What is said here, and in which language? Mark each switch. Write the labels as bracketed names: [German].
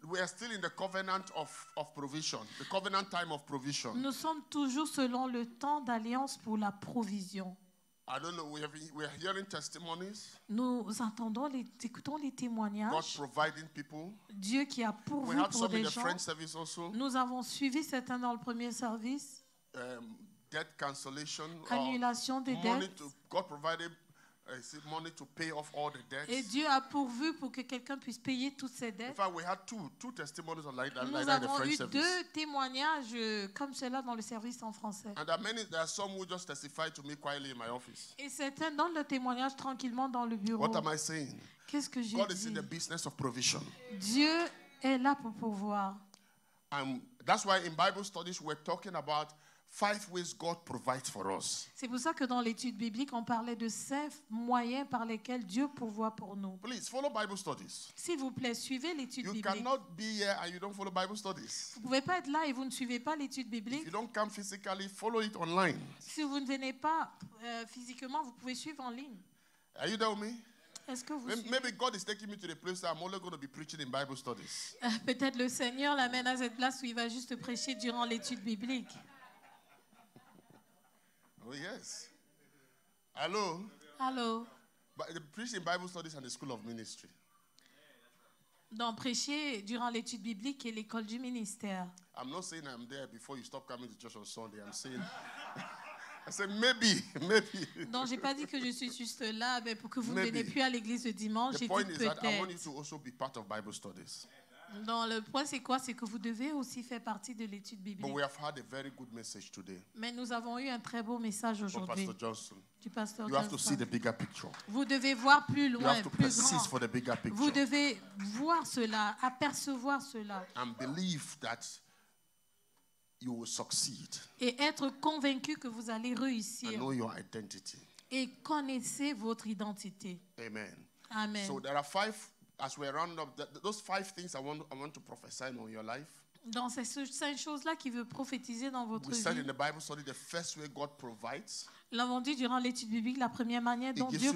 [English] We are still in the covenant of provision, the covenant time of provision. [French] Nous sommes toujours selon le temps d'alliance pour la provision. [English] I don't know, we are hearing testimonies. [French] Nous entendons, écoutons les témoignages. [English] God providing people. [French] Dieu qui a pourvu pour des gens. [English] We had some in the French service also. [French] Nous avons suivi certains dans le premier service. [English] Debt cancellation, [French] annulation des [English] money [French] dettes. [English] To, God provided money to pay off all the debts. [French] Et Dieu a pourvu pour que quelqu'un puisse payer toutes ses dettes. [English] In fact, we had two testimonies like that in the French service. [French] Nous avons eu deux témoignages comme cela dans le service en français. [English] And there are some who just testified to me quietly in my office. [French] Et certains donnent le témoignage tranquillement dans le bureau. [English] What am I saying? [French] Qu'est-ce que [English] God is in the business of provision. [French] Dieu est là pour pouvoir. [English] That's why in Bible studies we're talking about five ways God provides for us. [French] C'est pour ça que dans l'étude biblique, on parlait de cinq moyens par lesquels Dieu pourvoit pour nous. [English] Please follow Bible studies. [French] S'il vous plaît, suivez l'étude biblique. [English] You cannot be here and you don't follow Bible studies. [French] Vous pouvez pas être là et vous ne suivez pas l'étude biblique. [English] If you don't come physically, follow it online. [French] Si vous ne venez pas physiquement, vous pouvez suivre en ligne. [English] Are you there with me? [French] Est-ce que vous [English] maybe God is taking me to the place that I'm only going to be preaching in Bible studies. [French] Peut-être le Seigneur l'amène à cette place où il va juste prêcher durant l'étude biblique. [English] Oh yes. Hello. Hello. But the preaching Bible studies and the school of ministry. [French] d'en prêcher durant l'étude biblique et l'école du ministère. [English] I'm not saying I'm there before you stop coming to church on Sunday. I'm saying, I said maybe. [French] Non, j'ai pas dit que je suis juste là, mais pour que vous ne venez plus à l'église le dimanche, j'ai dit peut-être. [English] The point is that I want you to also be part of Bible studies. [French] Non, le point c'est quoi? C'est que vous devez aussi faire partie de l'étude biblique. [English] But we have had a very good message today. [French] Mais nous avons eu un très beau message aujourd'hui. [English] Pastor Johnson. [French] Du pasteur Johnson. [English] You have to see the bigger picture. [French] Vous devez voir plus loin, [English] you have to [French] plus [English] persist [French] grand. [English] For the bigger picture. [French] Vous devez voir cela, apercevoir cela. [English] And believe that you will succeed. [French] Et être convaincu que vous allez réussir. [English] And know your identity. [French] Et connaissez votre identité. [English] Amen. [French] Amen. [English] So there are five. As we round up, those five things I want to prophesy on your life. [French] Dans ces cinq choses-là qu'il veut prophétiser dans votre vie. [English] We said in the Bible study the first way God provides. [French] L'avons dit durant l'étude biblique la première manière dont Dieu pourvoit.